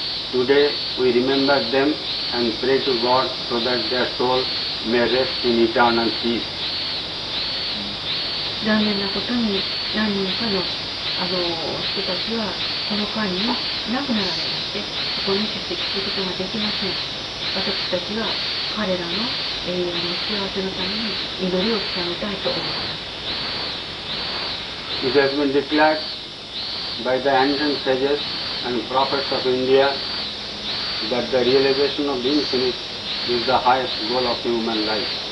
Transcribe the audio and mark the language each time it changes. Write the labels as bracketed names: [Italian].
[English] Today, we remember themand pray to God so that their soul may rest in eternal peace. [Japanese] 残念なことに何人か の人たちはこの間に亡くなられまして、そこに出席することができません。私たちは彼らの永遠の幸せのために祈りを伝えたいと思います。 [English] It has been declared by the ancient sages and prophets of India. That the realization of the infinite is the highest goal of human life.